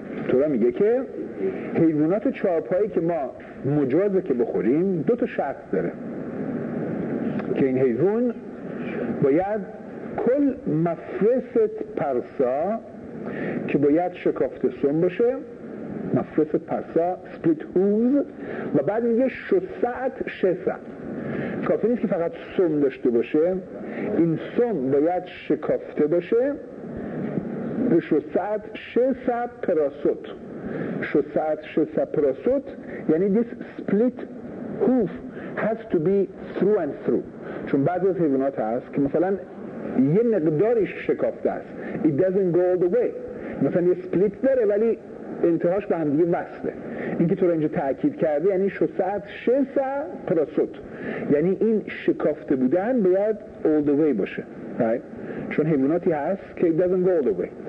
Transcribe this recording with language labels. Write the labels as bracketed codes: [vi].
[fa] تورا میگه که حیوانات چهارپایی که ما مجازه که بخوریم دو تا شرط داره که این حیوان باید کل مفرست پرسا که باید شکافته سن باشه، مفرس پرسا [en] split hooves, [fa] و بعد میگه شسعت شسع. کافی نیست که فقط سم داشته باشه، این سم باید شکافته باشه به شسعت شسع پراسوت. شسعت شسع پراسوت یعنی [en] this split hoof has to be through and through. [fa] چون بعضی از حیوانات هست که مثلا یه مقداریش شکافته است، [en] it doesn't go all the way، [fa] مثلا یه split داره ولی انتهاش به همدیگه وصله. این که تو را اینجا تأکید کرده یعنی شسعت شسع پراسوت، یعنی این شکافته بودن باید [en] all the way [fa] باشه، right؟ چون حیواناتی هست که [en] it doesn't go all the way.